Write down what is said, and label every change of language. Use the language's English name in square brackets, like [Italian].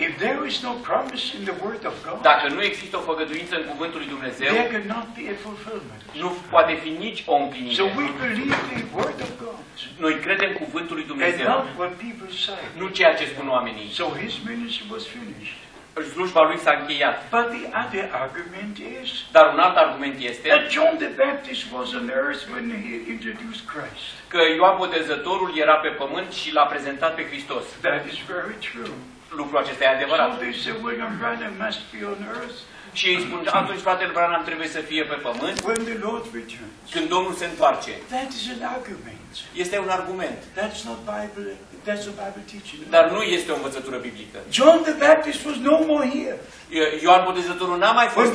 [English] If there is no promise in the word of God. [Romanian] Dacă nu există o făgăduință în cuvântul lui Dumnezeu. [English] There cannot be a fulfillment. [Romanian] Nu poate fi nici o împlinire. [English] So we believe the word of God. [Romanian] Noi credem cuvântul lui Dumnezeu. [English] And not what people say. [Romanian] Nu ceea ce spun oamenii. [English] So his ministry was finished. [Romanian] slujba lui s-a încheiat. [English] But the other argument is, [Romanian] dar un alt argument este, [English] that John the Baptist was on earth when he introduced Christ. [Romanian] Că Ioan Botezătorul era pe pământ și l-a prezentat pe Hristos. [English] That is very true. [Romanian] Lucrul acesta e adevărat. [English] So they say, William Branham must be on earth. [Romanian] Și îi spun, atunci fratele Branham trebuie să fie pe pământ. [English] When the Lord returns. [Romanian] Când Domnul se întoarce. [English] That is an argument. [Romanian] Este un argument. [English] That's not Bible. That's a Bible teaching. [Romanian] Dar nu este o învățătură biblică. [English] John the Baptist was no more here. [Romanian] Ioan Botezătorul n-a mai fost